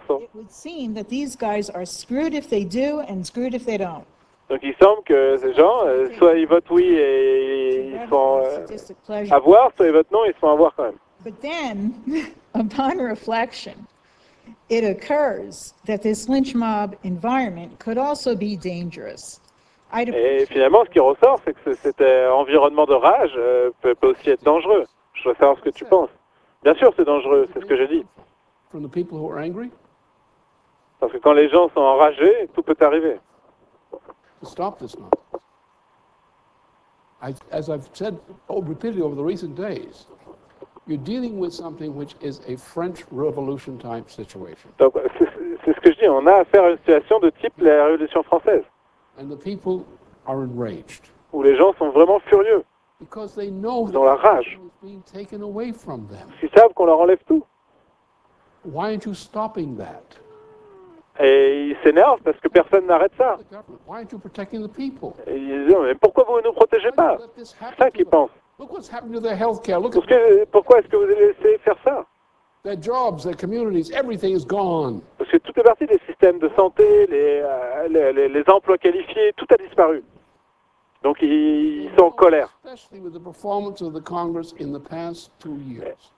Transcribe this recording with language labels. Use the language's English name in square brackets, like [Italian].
[English] It would seem that these guys are screwed if they do and screwed if they don't. [French] Donc il semble que ces gens, soit ils votent oui et ils sont à voir, soit ils votent non et ils sont à voir quand même. [English] But then, upon reflection, it occurs that this lynch mob environment could also be dangerous. [French] Et finalement, ce qui ressort, c'est que cet environnement de rage peut aussi être dangereux. Je veux savoir ce que tu penses. Bien sûr, c'est dangereux, c'est ce que j'ai dit. [English] From the people who are angry? [French] Parce que quand les gens sont enragés, tout peut arriver. [English] Stop this mob. As I've said repeatedly over the recent days, you're dealing with something which is a French Revolution type situation. [French] Donc, c'est ce que je dis, on a affaire à une situation de type la Révolution française. [English] And the people are enraged. [French] Où les gens sont vraiment furieux. [English] Because they know [French] dans la rage. [English] Being taken away from them. [French] Ils savent qu'on leur enlève tout. [English] Why aren't you stopping that? [French] Et ils s'énervent parce que personne n'arrête ça. [English] Why aren't you protecting the people? [French] Et ils disent, mais pourquoi vous ne nous protégez pas? C'est ça qu'ils pensent. [English] Look what's happened to their healthcare. Look [French] at pourquoi est-ce que vous allez laisser faire ça? [English] Their jobs, their communities, everything is gone. [French] Parce que tout est parti, les systèmes de santé, les emplois qualifiés, tout a disparu. Donc ils sont en colère. [English] Especially with the performance of the Congress in the past 2 years.